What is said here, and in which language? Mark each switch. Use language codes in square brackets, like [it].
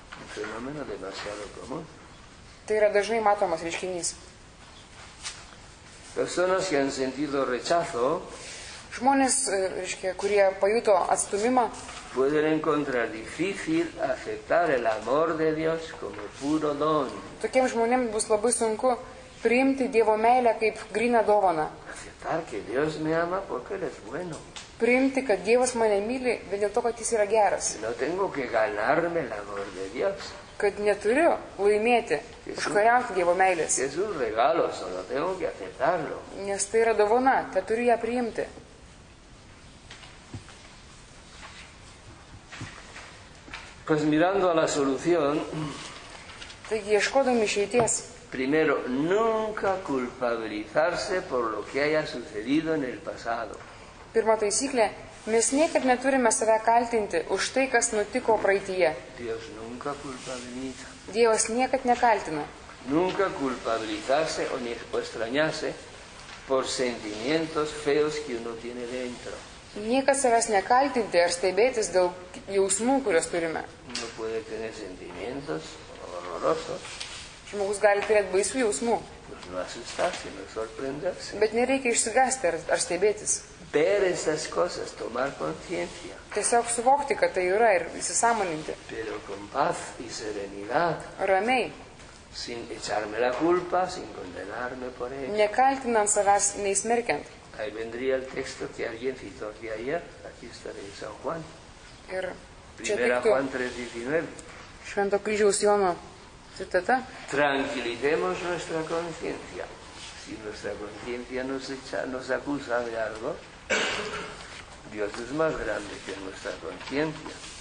[lt] Tai yra dažnai matomas reiškinys. [es] Personas que han sentido rechazo, [lt] žmonės, reiškia, kurie pajuto atstumimą, [es] pueden encontrar difícil aceptar el amor de Dios como puro don. [lt] Tokiem žmonėm bus labai sunku priimti Dievo meilę kaip gryną dovaną. [es] Aceptar que Dios me ama porque él es bueno. [lt] Priimti, kad Dievas mane myli, bet dėl to, kad jis yra geras. [es] No tengo que ganarme el amor de Dios. [lt] Kad neturiu laimėti, užkariauti Dievo meilės. [es] Es un regalo, solo tengo que aceptarlo. [lt] Nes tai yra dovana, tai turiu ją priimti. [es] Pues mirando a la solución, [lt] taigi, ieškodami išeities, [es] primero, nunca culpabilizarse por lo que haya sucedido en el pasado. [lt] Pirma taisyklė, mes niekad neturime save kaltinti už tai, kas nutiko praeityje. [es] Dios nunca culpabiliza. [lt] Dievas niekad nekaltina. [es] Nunca culpabilizarse o ni extrañarse por sentimientos feos que uno tiene dentro. [lt] Niekas savęs nekaltinti ar stebėtis dėl jausmų, kurios turime. [es] No puede tener sentimientos horrorosos. [lt] Žmogus gali turėti baisų jausmų. [es] No asustarse, no sorprenderse. [lt] Bet nereikia išsigasti ar stebėtis. [es] Ver esas cosas, tomar conciencia. [lt] Tiesiog suvokti, kad tai yra ir įsisąmoninti. [es] Pero con paz y serenidad. [lt] Ramiai. [es] Sin echarme la culpa, sin condenarme por ello. [lt] Nekaltinant savęs, neįsmerkiant. [es] Ahí vendría el texto que alguien citó aquí ayer. Aquí estaré en San Juan. Primera Juan 3.19. [lt] Švento kryžiaus Jono citata. [es] Tranquilicemos nuestra conciencia. Si nuestra conciencia nos acusa de algo, Dios es más grande que nuestra conciencia.